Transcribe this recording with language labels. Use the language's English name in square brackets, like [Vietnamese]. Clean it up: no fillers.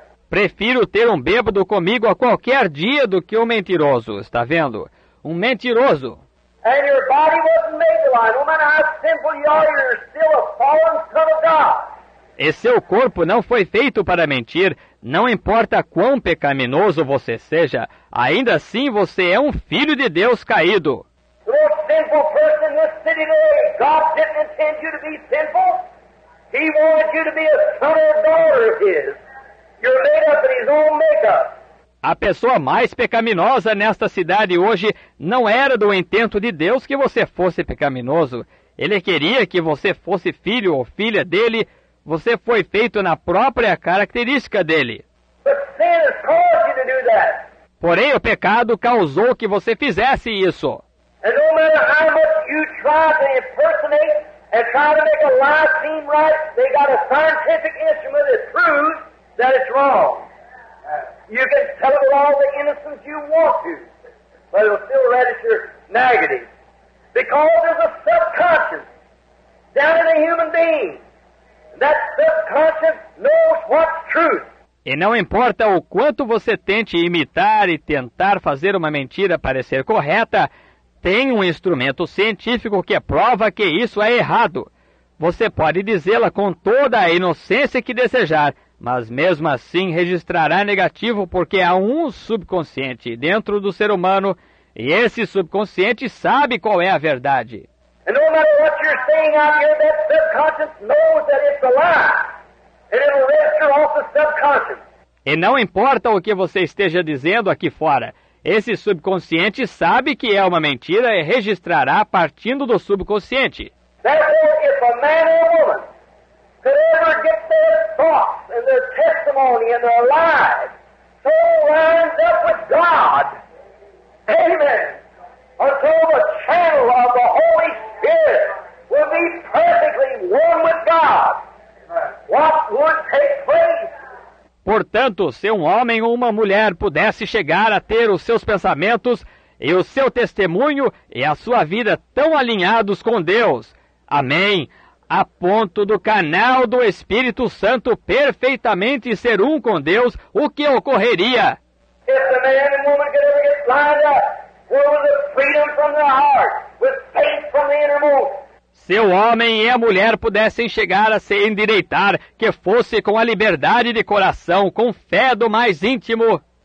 [Portuguese] Prefiro ter um bêbado comigo a qualquer dia do que um mentiroso, está vendo? Um mentiroso. [English] And your body wasn't made to lie. No matter how simple you are, you're still a fallen son of God. [Portuguese] E seu corpo não foi feito para mentir, não importa quão pecaminoso você seja, ainda assim você é um filho de Deus caído. [English] The most sinful person in this city today, God didn't intend you to be sinful. He wanted you to be a son or daughter of his. You're made up in his own makeup. [Portuguese] A pessoa mais pecaminosa nesta cidade hoje não era do intento de Deus que você fosse pecaminoso. Ele queria que você fosse filho ou filha dele. Você foi feito na própria característica dele. [English] But sin has caused you to do that. [Portuguese] Porém, o pecado causou que você fizesse isso. [English] And no matter how much you try to impersonate and try to make a lie seem right, they got a scientific instrument that proves that it's wrong. You can tell it with all the innocence you want to, but it'll still register negative. Because there's a subconscious down in a human being. That subconscious knows what's truth. [Portuguese] E não importa o quanto você tente imitar e tentar fazer uma mentira parecer correta, tem um instrumento científico que prova que isso é errado. Você pode dizê-la com toda a inocência que desejar, mas mesmo assim registrará negativo porque há um subconsciente dentro do ser humano E esse subconsciente sabe qual é a verdade. [English] And no matter what you're saying out here, that subconscious knows that it's a lie. And it'll rest you off the subconscious. [Portuguese] E não importa o que você esteja dizendo aqui fora, esse subconsciente sabe que é uma mentira e registrará partindo do subconsciente. [English] Therefore, if a man or a woman could ever get their thoughts and their testimony and their lives so lined up with God, amen, until the channel of the Holy Spirit will be perfectly one with God, what would take place? [Portuguese] Portanto, se um homem ou uma mulher pudesse chegar a ter os seus pensamentos e o seu testemunho e a sua vida tão alinhados com Deus, amém, a ponto do canal do Espírito Santo perfeitamente ser um com Deus, o que ocorreria? [English] If the man and woman could ever get lined up, what would the freedom from the heart, with faith from the innermost? [Portuguese] Se o homem e a mulher pudessem chegar a se endireitar, que fosse com a liberdade de coração, com fé do mais íntimo.